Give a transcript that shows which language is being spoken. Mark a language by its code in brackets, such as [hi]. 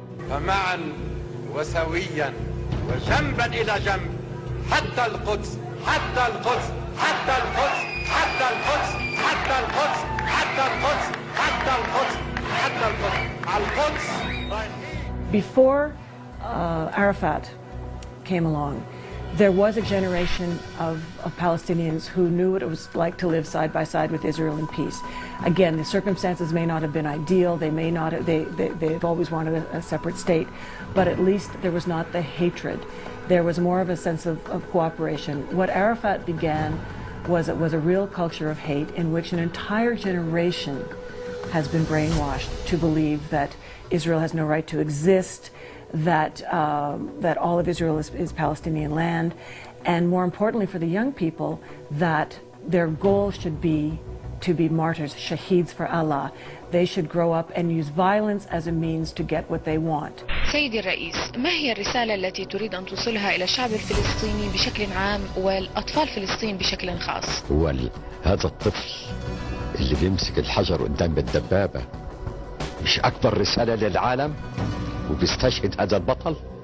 [ar] فمعا وسويا وجنبا الى جنب حتى القدس حتى القدس حتى القدس حتى القدس حتى القدس حتى القدس حتى القدس حتى القدس. [en] Before Arafat came along, there was a generation of Palestinians who knew what it was like to live side by side with Israel in peace. Again, the circumstances may not have been ideal. They may not have, they've always wanted a separate state, but at least there was not the hatred. There was more of a sense of cooperation. What Arafat began was it was a real culture of hate in which an entire generation has been brainwashed to believe that Israel has no right to exist, that that all of Israel is Palestinian land, and more importantly for the young people, that their goal should be to be martyrs, shaheeds for Allah. They should grow up and use violence as a means to get what they want. [ar] سيدي الرئيس, ما هي الرسالة التي تريد أن توصلها إلى الشعب الفلسطيني بشكل عام والأطفال فلسطين بشكل خاص؟ هذا الطفل اللي بيمسك الحجر قدام الدبابة مش أكبر رسالة للعالم؟ وبيستشهد هذا البطل.